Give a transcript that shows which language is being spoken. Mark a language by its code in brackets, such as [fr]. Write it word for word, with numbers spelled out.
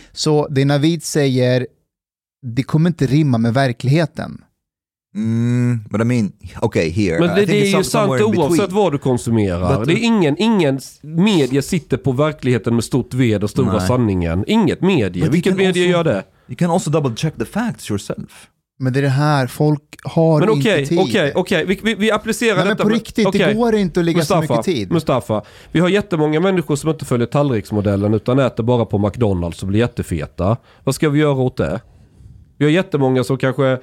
[sv] Så det Navid säger, det kommer inte rimma med verkligheten. [en] Mm, but I mean, okay, here. [sv] Men det, det är ju sant oavsett vad du konsumerar. But det är ingen, ingen media sitter på verkligheten med stort ved och stora nej. Sanningen. Inget medie. Vilket medie [en] also, [sv] gör det? [en] You can also double check the facts yourself. [sv] Men det är det här, folk har men [en] okay, [sv] inte tid. Okej, okay, okay. vi, vi, vi applicerar nej, detta. Men på riktigt, [en] okay. [sv] Det går inte att lägga Mustafa, så mycket tid. Mustafa, vi har jättemånga människor som inte följer tallriksmodellen utan äter bara på McDonalds och blir jättefeta. Vad ska vi göra åt det? Vi har jättemånga som kanske...